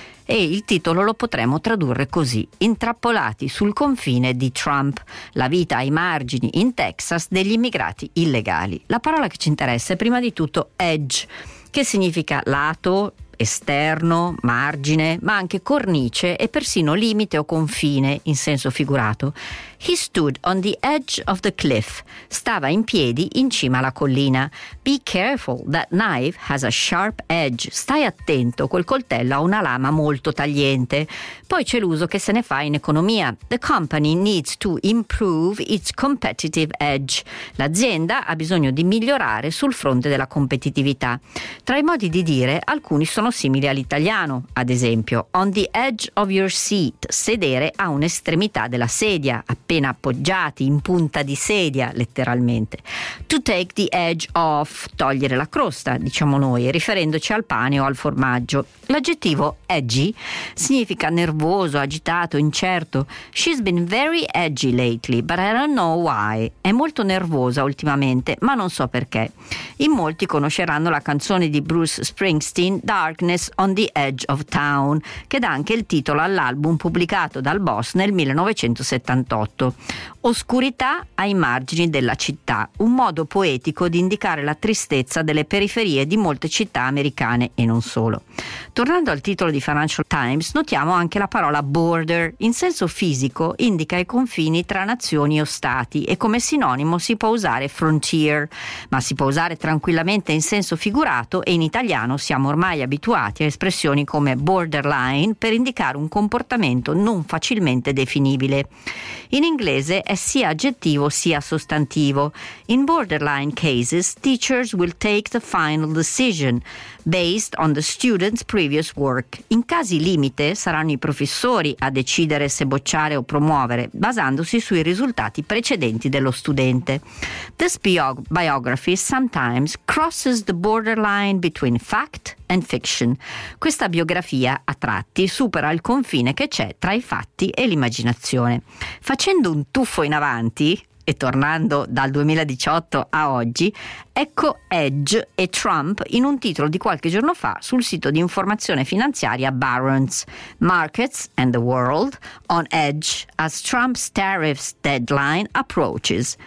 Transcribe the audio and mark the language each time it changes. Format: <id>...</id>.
<it>E il titolo lo potremmo tradurre così: intrappolati sul confine di Trump, la vita ai margini in Texas degli immigrati illegali. La parola che ci interessa è prima di tutto edge, che significa lato, esterno, margine, ma anche cornice e persino limite o confine in senso figurato.</it> <en>He stood on the edge of the cliff.</en> <it>Stava in piedi in cima alla collina.</it> <en>Be careful, that knife has a sharp edge.</en> <it>Stai attento, quel coltello ha una lama molto tagliente. Poi c'è l'uso che se ne fa in economia.</it> <en>The company needs to improve its competitive edge.</en> <it>L'azienda ha bisogno di migliorare sul fronte della competitività. Tra i modi di dire, alcuni sono simili all'italiano, ad esempio</it> <en>on the edge of your seat,</en> <it>sedere a un'estremità della sedia, appena appoggiati, in punta di sedia, letteralmente.</it> <en>To take the edge off,</en> <it>togliere la crosta, diciamo noi, riferendoci al pane o al formaggio. L'aggettivo edgy significa nervoso, agitato, incerto.</it> <en>She's been very edgy lately, but I don't know why.</en> <it>È molto nervosa ultimamente, ma non so perché. In molti conosceranno la canzone di Bruce Springsteen, Darkness on the Edge of Town, che dà anche il titolo all'album pubblicato dal Boss nel 1978. Oscurità ai margini della città, un modo poetico di indicare la tristezza delle periferie di molte città americane e non solo. Tornando al titolo di Financial Times, notiamo anche la parola border. In senso fisico indica i confini tra nazioni o stati e come sinonimo si può usare frontier, ma si può usare tranquillamente in senso figurato, e in italiano siamo ormai abituati a espressioni come borderline per indicare un comportamento non facilmente definibile. In inglese è sia aggettivo sia sostantivo.</it> <en>In borderline cases, teachers will take the final decision based on the student's previous work.</en> <it>In casi limite saranno i professori a decidere se bocciare o promuovere, basandosi sui risultati precedenti dello studente.</it> <en>This biography sometimes crosses the borderline between fact and fiction.</en> <it>Questa biografia a tratti supera il confine che c'è tra i fatti e l'immaginazione. Facendo un tuffo in avanti e tornando dal 2018 a oggi, ecco Edge e Trump in un titolo di qualche giorno fa sul sito di informazione finanziaria Barron's:</it> <en>Markets and the World on Edge as Trump's tariffs deadline approaches.</en>